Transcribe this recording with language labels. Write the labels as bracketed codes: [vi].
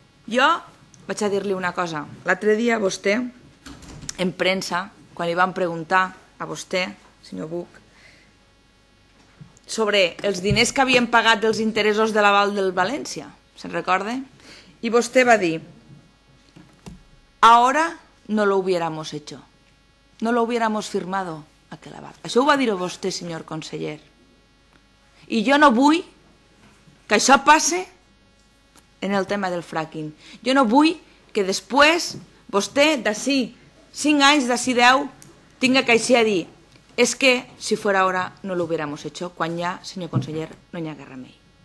[ca] Jo vaig a dir-li una cosa. L'altre dia vostè, en premsa, quan li van preguntar a vostè, senyor Buch, sobre els diners que havien pagat dels interessos de l'aval del València, se'n recorda? I vostè va dir, [es] ahora no lo hubiéramos hecho, no lo hubiéramos firmado aquel aval. [ca] Això ho va dir vostè, senyor conseller. I jo no vull que això passi en el tema del fracking. Jo no vull que després vostè, d'ací 5 anys, d'ací 10, tinga que així a dir, és que si fora ara [es] no lo hubiéramos hecho, [ca] quan ja, senyor conseller, no hi ha guerra més.